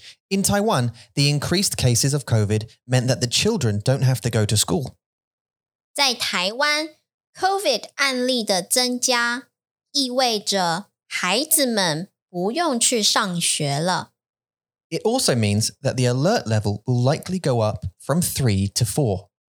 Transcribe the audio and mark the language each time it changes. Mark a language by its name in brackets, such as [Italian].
[English] In Taiwan, the increased cases of COVID meant that the children don't have to go to school. [Chinese] 在台湾, COVID案例的增加意味着孩子们不用去上学了。 [English] It also means that the alert level will likely go up from 3 to 4.